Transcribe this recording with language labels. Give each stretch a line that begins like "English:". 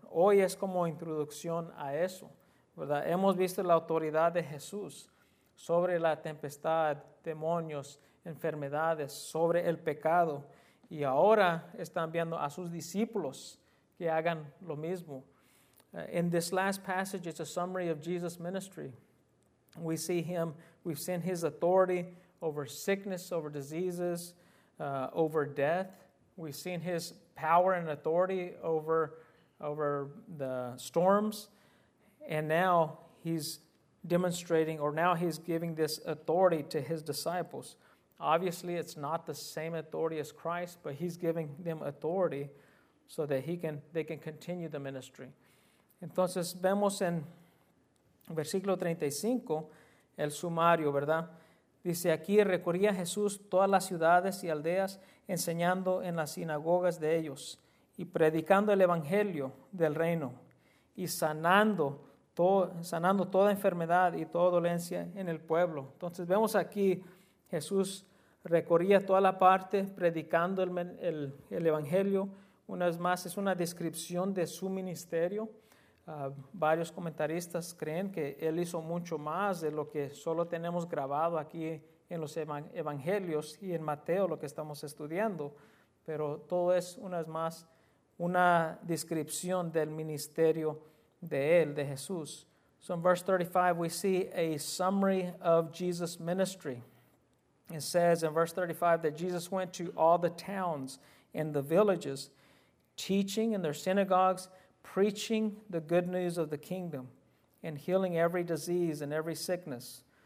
Spanish: Hoy es como introducción a eso, ¿verdad? Hemos visto la autoridad de Jesús sobre la tempestad, demonios, enfermedades, sobre el pecado, y ahora están viendo a sus discípulos que hagan lo mismo.
English: In this last passage, it's a summary of Jesus' ministry. We see him, we've seen his authority over sickness, over diseases, over death. We've seen his power and authority over the storms. And now he's demonstrating, or now he's giving this authority to his disciples. Obviously, it's not the same authority as Christ, but he's giving them authority so that they can continue the ministry.
Spanish: Entonces, vemos en versículo 35 el sumario, ¿verdad? Dice aquí, recorría Jesús todas las ciudades y aldeas, enseñando en las sinagogas de ellos y predicando el evangelio del reino y sanando toda enfermedad y toda dolencia en el pueblo. Entonces, vemos aquí Jesús recorría toda la parte predicando el evangelio. Una vez más, es una descripción de su ministerio. Varios comentaristas creen que él hizo mucho más de lo que solo tenemos grabado aquí en los evangelios y en Mateo, lo que estamos estudiando. Pero todo es, una vez más, una descripción del ministerio de él, de Jesús.
English: So in verse 35, we see a summary of Jesus' ministry. It says in verse 35 that Jesus went to all the towns and the villages, teaching in their synagogues, preaching the good news of the kingdom and healing every disease and every sickness.